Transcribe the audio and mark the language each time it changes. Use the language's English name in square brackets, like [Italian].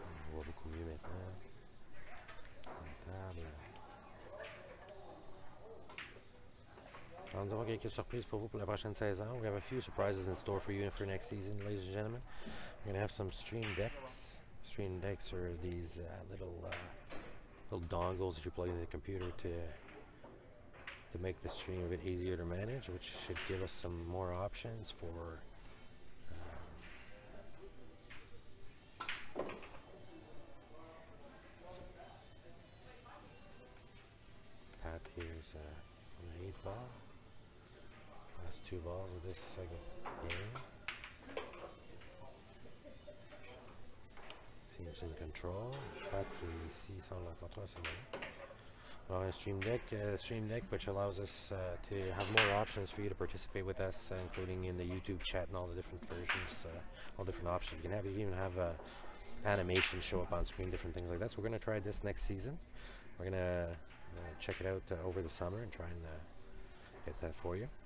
[French] On voit beaucoup mieux maintenant. La table. Alors, nous avons quelques surprises pour vous pour la prochaine saison. [English] We have a few surprises in store for you and for next season, ladies and gentlemen. We're going to have some stream decks. Stream decks are these little dongles that you plug into the computer to make the stream a bit easier to manage, which should give us some more options for Pat here's an 8-ball. Last 2 balls of this second game. Seems in control. Pat here, [French] ici, sans la contrôle, c'est bon. [English] Well, a stream deck, which allows us to have more options for you to participate with us, including in the YouTube chat and all the different versions, all different options. You can even have animations show up on screen, different things like that. So we're going to try this next season. We're going to check it out over the summer and try and get that for you.